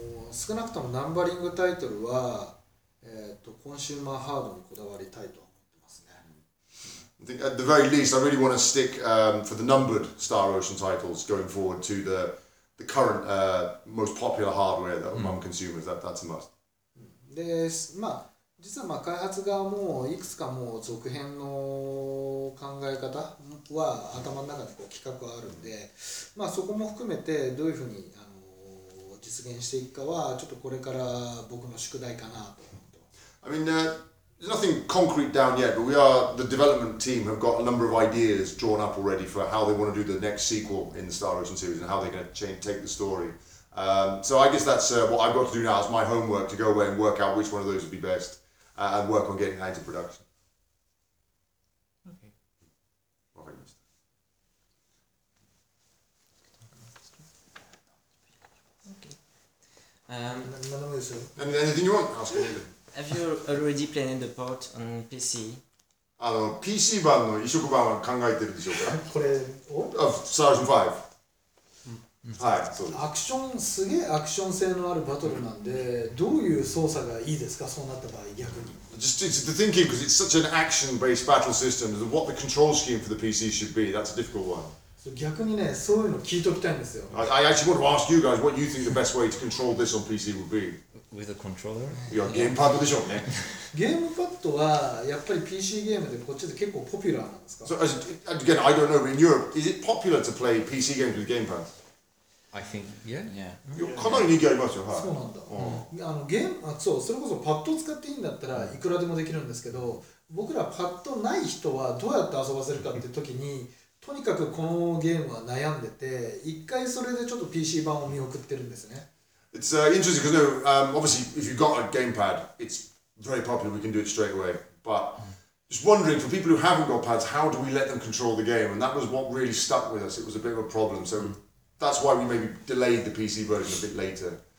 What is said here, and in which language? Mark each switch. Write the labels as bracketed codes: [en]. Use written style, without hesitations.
[ja] 少なくともナンバリングタイトルは、コンシューマーハードにこだわりたいと思ってますね。 [en] At the very least, I really want to stick、for the numbered Star Ocean titles going forward to the current、most popular hardware that among consumers. That's a must. [ja] で、まあ実はまあ開発側もいくつかもう続編の考え方は頭の中でこう企画はあるんで、まあそこも含めてどういうふうに実現していくかはちょっとこれから僕の宿題かなと。 [en] I mean, there's nothing concrete down yet, but the development team have got a number of ideas drawn up already for how they want to do the next sequel in the Star Ocean series and how they're going to take the story. So I guess that's what I've got to do now. It's my homework to go away and work out which one of those would be best and work on getting that into production. Okay. Anything you want, ask me. Have you already planned the port on PC? [ja] あの、PC 版の移植版は考えてるでしょうか？これ、 [en] Of Star Ocean 5. [ja] はい、そうです。アクション、すげえアクション性のあるバトルなんで、どういう操作がいいですか？そうなった場合、逆に。 [en] Just it's the thinking, because it's such an action-based battle system, what the control scheme for the PC should be, that's a difficult one. [ja] 逆にね、そういうの聞いておきたいんですよ。 [en] I actually want to ask you guys what you think the best way to control this on PC would be. With a controller? [ja] いや、ゲームパッドでしょうね。ゲームパッドはやっぱり PC ゲームでこっちで結構ポピュラーなんですか？ [en] So, again, I don't know, but in Europe, is it popular to play PC games with game pads? I think, yeah. [ja] かなり人気ありますよ、はい。そうなんだ。あのゲーム、そう、それこそパッドを使っていいんだったらいくらでもできるんですけど、僕らパッドない人はどうやって遊ばせるかって時に、とにかくこのゲームは悩んでて、一回それでちょっと PC 版を見送ってるんですね。 [en] It's interesting because obviously if you've got a gamepad, it's very popular, we can do it straight away. But just wondering, for people who haven't got pads, how do we let them control the game? And that was what really stuck with us. It was a bit of a problem. So that's why we maybe delayed the PC version a bit later.